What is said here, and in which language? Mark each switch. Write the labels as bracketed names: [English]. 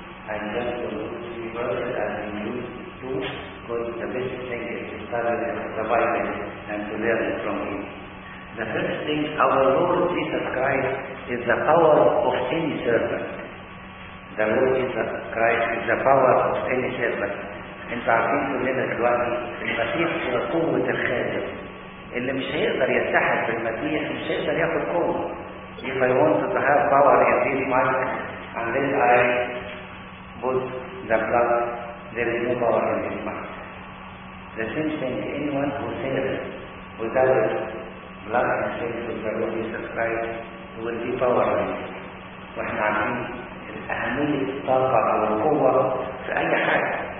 [English] And just to see verses as we use to, because the best thing is to study the Bible and to learn from it. The first thing, our Lord Jesus Christ is the power of any servant. The Lord Jesus Christ is the power of any servant. [Arabic] انت عارفين كلنا دلوقتي المسيح هو قوة الخادم. اللي مش هيقدر يتحد بالمسيح مش هيقدر ياخد قوة. [English] If I want to have power in this mark unless I put the blood, there is no power in this mark. The same thing, anyone who serves without blood and service of the Lord Jesus Christ will be powerless. [Arabic] واحنا عارفين أهمية الطاقة أو القوة في أي حاجة.